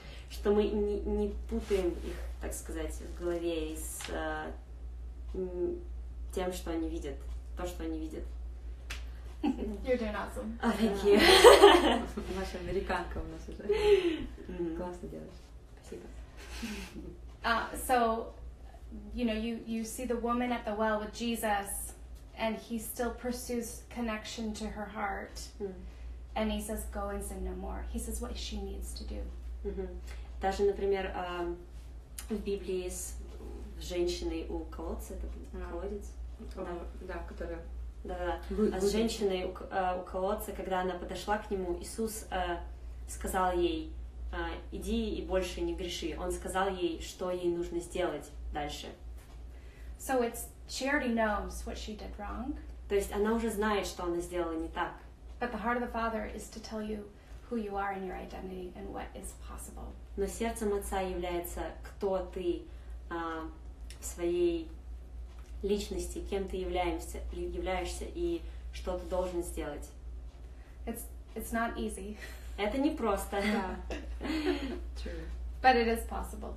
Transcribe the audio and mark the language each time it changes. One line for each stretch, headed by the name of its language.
Russian: что мы не путаем их, так сказать, в голове с тем, что они видят, то, что они видят.
English: You're doing awesome. Oh, thank you.
Russian: Ваша американка у нас уже. Классно делаешь. Спасибо.
English: So, you know, you see the woman at the well with Jesus, and he still pursues connection to her heart, and he says, "Go and sin no more." He says what she needs to do.
Russian: Даже, например, в Библии с женщиной у колодца, это колодец, да, которая. Да-да. С женщиной у колодца, когда она подошла к нему, Иисус сказал ей: иди и больше не греши. Он сказал ей, что ей нужно сделать дальше.
English: So it's, she already knows what she did wrong.
Russian: То есть она уже знает, что она сделала не так.
English: But the heart of the Father is to tell you who you are and your identity and what is possible.
Russian: Но сердцем Отца является, кто ты в своей личности, кем ты являешься и что ты должен сделать.
English: It's not easy.
Russian: Это не просто.
English: Yeah. True. But it is possible.